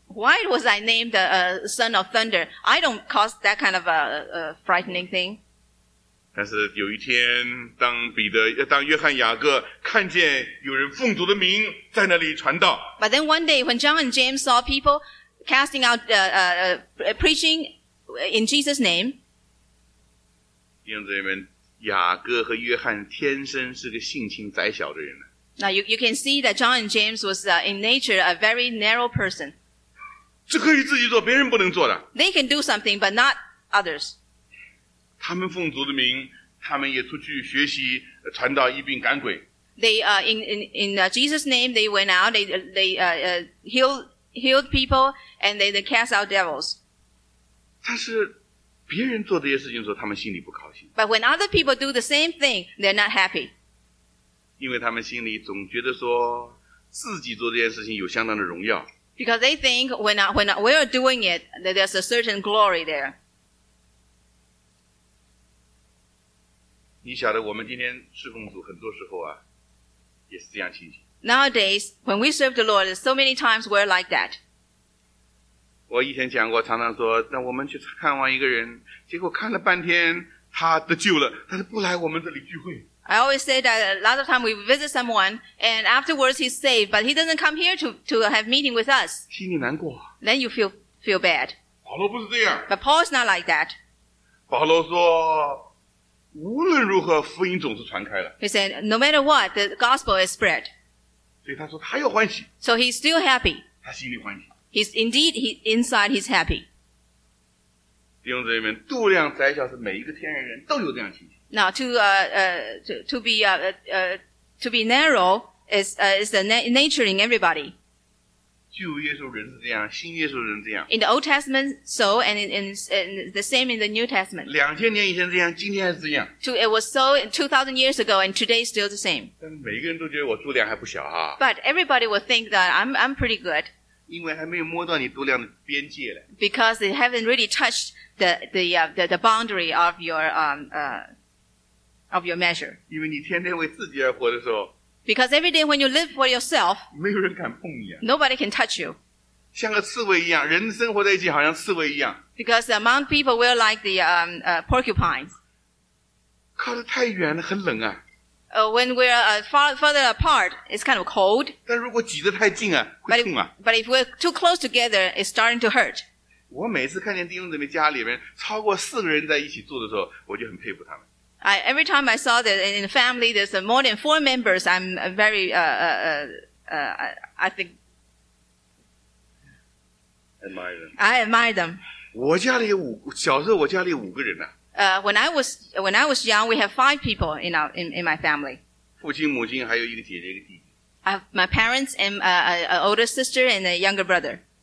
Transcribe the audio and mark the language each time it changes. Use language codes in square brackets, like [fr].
[en] Why was I named the son of thunder? I don't cause that kind of a frightening thing. [zh] 但是有一天，当约翰雅各看见有人奉主的名在那里传道。 [en] But then one day when John and James saw people casting out preaching in Jesus' name. [zh] 弟兄姊妹们，雅各和约翰天生是个性情窄小的人。 [en] Now you can see that John and James was in nature a very narrow person. [zh] 这可以自己做，别人不能做的。 [en] They can do something, but not others. [zh] 他们奉主的名，他们也出去学习传道、医病、赶鬼。 [en] They in Jesus' name they went out. They healed people and they cast out devils. [zh] 但是。别人做这些事情的时候，他们心里不高兴。 [en] But when other people do the same thing, they're not happy. [zh] 因为他们心里总觉得说，自己做这件事情有相当的荣耀。 [en] Because they think when we are doing it, that there's a certain glory there. [zh] 你晓得我们今天侍奉主很多时候啊，也是这样情形。 [en] Nowadays, when we serve the Lord, so many times we're like that. [zh] 我以前讲过，常常说，那我们去看望一个人，结果看了半天，他得救了，但是不来我们这里聚会。 [en] I always say that a lot of time we visit someone and afterwards he's saved, but he doesn't come here to have meeting with us. [zh] 心里难过。 [en] Then you feel bad. [zh] 保罗不是这样。 [en] But Paul's not like that. [zh] 保罗说，无论如何，福音总是传开了。 [en] He said, no matter what, the gospel is spread. [zh] 所以他说他要欢喜。 [en] So he's still happy. [zh] 他心里欢喜。 [en] Inside he's happy. [zh] 弟兄姊妹们，度量窄小是每一个天然人都有这样情形。 [en] Now to be narrow is the nature in everybody. [zh] 旧约时候人是这样，新约时候人这样。 [en] In the Old Testament, so and in the same in the New Testament. [zh] 两千年以前这样，今天还是这样。 [en] It was so 2,000 years ago, and today is still the same. [zh] 但是每个人都觉得我度量还不小哈。 [en] But everybody will think that I'm pretty good. [zh] 因为还没有摸到你度量的边界嘞。 [en] Because they haven't really touched the boundary of your measure. [zh] 因为你天天为自己而活的时候。 [en] Because every day when you live for yourself, [zh] 没有人敢碰你啊。 [en] Nobody can touch you. [zh] 像个刺猬一样，人生活在一起好像刺猬一样。 [en] Because among people we're like the porcupines. [zh] 靠得太远了，很冷啊。 [en] When we're further apart, it's kind of cold. [zh] 但如果挤得太近啊，会痛啊。 [en] But if we're too close together, it's starting to hurt. [zh] 我每次看见弟兄姊妹家里面超过四个人在一起住的时候，我就很佩服他们。 [en] Every time I saw that in a family there's more than four members, I'm very, I think. Admire them. I admire them. [zh] 我家里有五，小时候我家里有五个人啊。 [en] When I was young, we have five people in my family. [zh] 父亲、母亲还有一个姐姐一个弟弟。 [en] I have my parents and an older sister and a younger brother.